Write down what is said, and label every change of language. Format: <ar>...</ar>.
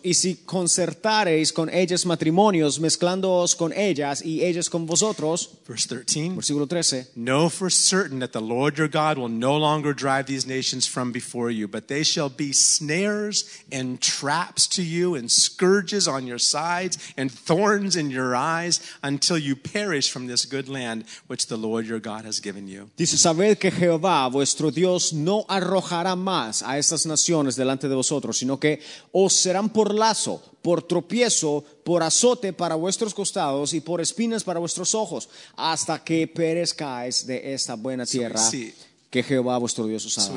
<es>y si concertareis con ellas matrimonios, mezclándoos con ellas y ellas con vosotros. Versículo 13.</es> <en>"No, for certain that the Lord your God will no longer drive these nations from before you, but they shall be snares and traps to you, and scourges on your sides, and thorns in your eyes, until you perish from this good land which the Lord your God has given you."</en> <es>Dice, sabed que Jehová vuestro Dios no arrojará más a estas naciones delante de vosotros, sino que os serán por lazo, por tropiezo, por azote para vuestros costados y por espinas para vuestros ojos, hasta que perezcáis de esta buena tierra que Jehová vuestro Dios os ha dado.</es>